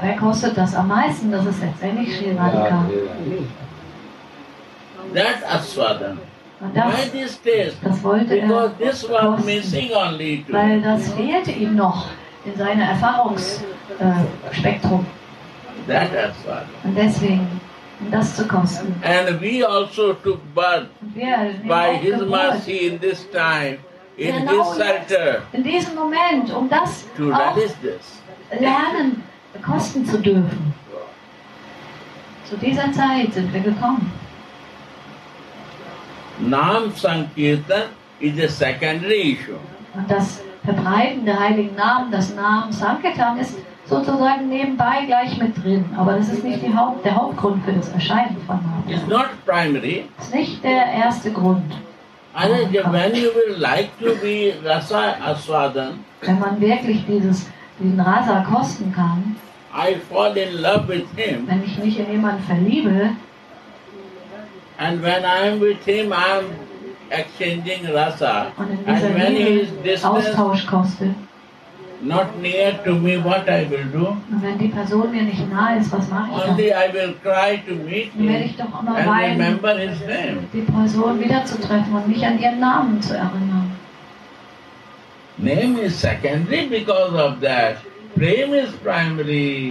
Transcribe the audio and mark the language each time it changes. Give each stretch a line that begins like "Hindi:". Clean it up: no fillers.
German: Wer kostet das am meisten? Das ist letztendlich Sri Radhika.
English: That aswadana. Why this taste?
German: Das wollte
English: because
German: er
English: this was missing only two.
German: Weil das fehlte ihm noch in seinem Erfahrungsspektrum.
English: That aswadana.
German: Und deswegen, um das zu kosten.
English: And we also took birth by his mercy in this time, in his shelter.
German: In diesem Moment, um das
English: to realize this.
German: Lernen, kosten zu dürfen. Zu dieser Zeit sind wir gekommen.
English: Nam Sankirtan is a secondary issue.
German: Und das Verbreiten der heiligen Namen, das Namen Sankirtan ist sozusagen nebenbei gleich mit drin. Aber das ist nicht der Hauptgrund für das Erscheinen von Namen.
English: It's not primary.
German: Es ist nicht der erste Grund.
English: When you will like to be rasa aswadan,
German: wenn man wirklich diesen Rasa kosten kann,
English: I fall in love with him,
German: wenn ich mich in jemanden verliebe,
English: and when I'm with him, I'm exchanging rasa. And when he is distant, not near to me, what I will do?
German: Und wenn die Person mir nicht nahe ist, was mache ich dann?
English: Only I will cry to meet him
German: werde ich doch immer weinen,
English: and remember his name.
German: Die Person wiederzutreffen und mich an ihren Namen zu erinnern.
English: Name is secondary because of that. Prem is primary.